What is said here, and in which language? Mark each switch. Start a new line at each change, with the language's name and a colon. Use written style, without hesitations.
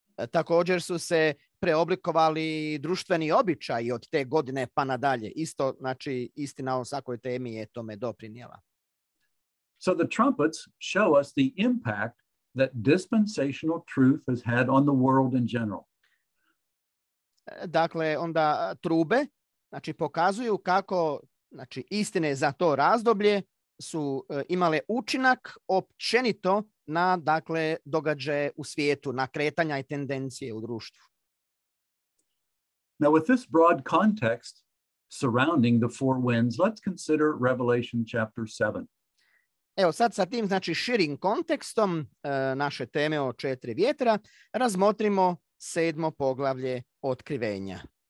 Croatian: Također su se preoblikovali društveni običaji od te godine pa nadalje. Isto, znači, istina o svakoj temi je tome doprinijela.
English: So the trumpets show us the impact that dispensational truth has had on the world in general.
Croatian: Dakle, onda trube, znači, pokazuju kako, znači, istine za to razdoblje su imale učinak općenito na, dakle, događaje u svijetu, na kretanja i tendencije u društvu.
English: Now, with this broad context surrounding the four winds, let's consider Revelation chapter 7.
Croatian: Evo sad sa tim, znači, širim kontekstom naše teme o četiri vjetra, razmotrimo sedmo poglavlje otkrivenja.